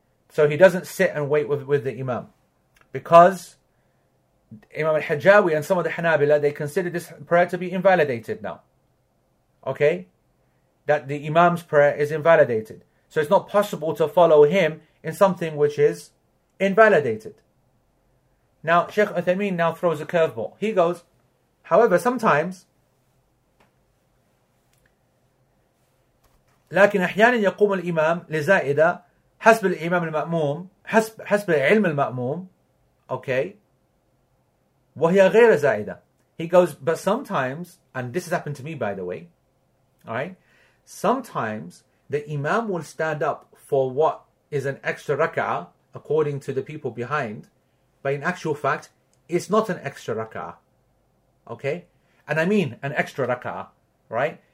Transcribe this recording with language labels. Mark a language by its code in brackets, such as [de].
[en] So he doesn't sit and wait with the Imam. Because Imam al-Hajjawi and some of the Hanabila, they consider this prayer to be invalidated now. Okay? That the Imam's prayer is invalidated. So it's not possible to follow him in something which is invalidated. Now, Sheikh Uthaymeen now throws a curveball. He goes, however, sometimes, [ar] لكن أحيانا يقوم الإمام لزائدة حسب الإمام المأموم حسب علم المأموم, okay, وهي غير زائدة. [en] He goes, but sometimes, and this has happened to me by the way, alright, sometimes the Imam will stand up for what is an extra rak'ah according to the people behind, but in actual fact, it's not an extra rak'ah, okay, and I mean an extra rak'ah, right?